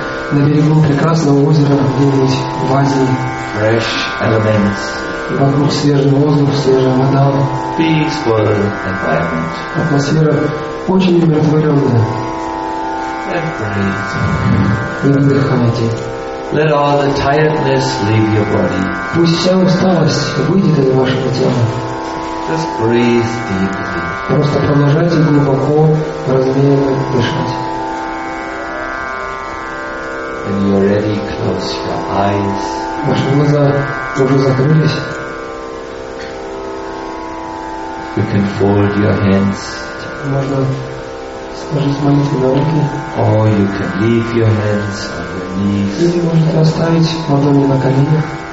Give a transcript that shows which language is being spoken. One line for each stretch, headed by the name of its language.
Russian: На берегу прекрасного озера где-нибудь в Азии.
English: Fresh elements.
Russian: И вокруг свежий воздух, свежая вода.
English: Peaceful environment.
Russian: Атмосфера очень умиротворенная.
English: Breathe.
Russian: И выдыхайте.
English: Let all the tiredness leave your body.
Russian: Пусть вся усталость выйдет из вашего тела.
English: Just breathe deeply.
Russian: Просто продолжайте глубоко, размеренно дышать.
English: And you already close your eyes.
Russian: Ваши глаза тоже закрылись.
English: You can fold your hands.
Russian: Можно сложить маленькие ноги.
English: Or you can leave your hands on your knees.
Russian: Или можете оставить ладони на коленях.